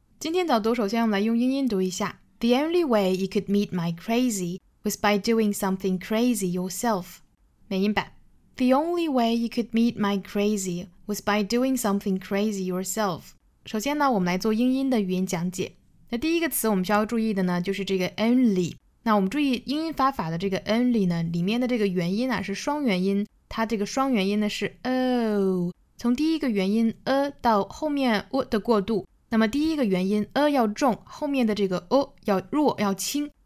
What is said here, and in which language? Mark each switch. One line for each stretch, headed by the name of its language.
Chinese: 今天早读，首先我们来用英音读一下。
English: The only way you could meet my crazy was by doing something crazy yourself.
Chinese: 美音版。
English: The only way you could meet my crazy was by doing something crazy yourself.
Chinese: 首先呢，我们来做英音的语音讲解。那第一个词我们需要注意的呢，就是这个 only。那我们注意英音发法的这个 only 呢，里面的这个元音啊是双元音，它这个双元音呢是 o。从第一个元音 a 到后面 o 的过渡，那么第一个元音 a 要重，后面的这个 o 要弱要轻。